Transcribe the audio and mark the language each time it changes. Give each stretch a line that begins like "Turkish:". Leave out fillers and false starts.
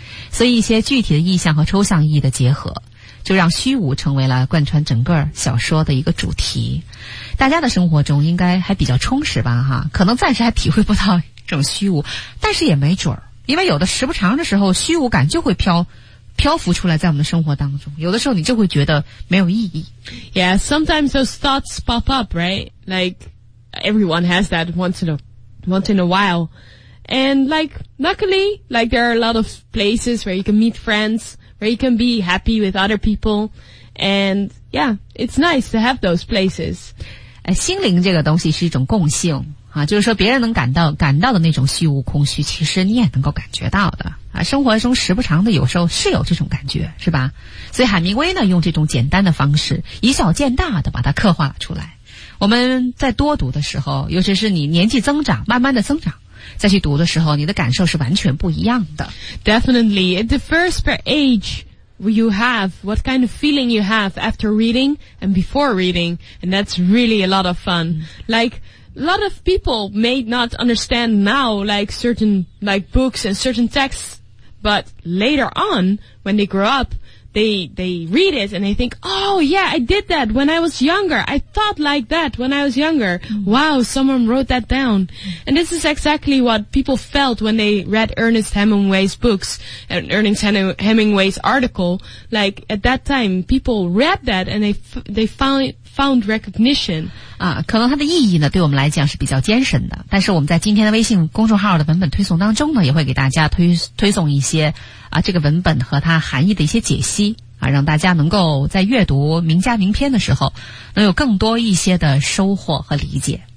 Chinese: 所以一些具体的意象和抽象意义的结合就让虚无成为了贯穿整个小说的一个主题。大家的生活中应该还比较充实吧哈，可能暂时还体会不到这种虚无，但是也没准儿，因为有的时不长的时候虚无感就会漂浮出来在我们的生活当中，有的时候你就会觉得没有意义。
English: Yeah, sometimes those thoughts pop up, right? Like, everyone has that once in a while. And like, luckily, like there are a lot of places where you can meet friends, where you can be happy with other people. And yeah, it's nice to have those places.
Chinese: 心灵这个东西是一种共性啊，就是说别人能感到的那种虚无空虚，其实你也能够感觉到的啊。生活中时不常的，有时候是有这种感觉，是吧？所以海明威呢，用这种简单的方式，以小见大的把它刻画了出来。我们在多读的时候，尤其是你年纪增长，慢慢的增长，再去读的时候，你的感受是完全不一样的。
English: Definitely, it differs per age. You have, what kind of feeling you have after reading and before reading, and that's really a lot of fun. Like, a lot of people may not understand now, like certain, like books and certain texts, but later on, when they grow up, they read it and they think, oh yeah, I did that when I was younger. I thought like that when I was younger. Wow, someone wrote that down. And this is exactly what people felt when they read Ernest Hemingway's books and Ernest Hemingway's article. Like at that time, people read that and they found recognition.
Chinese: 啊，可能它的意义呢，对我们来讲是比较艰深的。但是我们在今天的微信公众号的文本推送当中呢，也会给大家推送一些啊这个文本和它含义的一些解析啊，让大家能够在阅读名家名篇的时候，能有更多一些的收获和理解。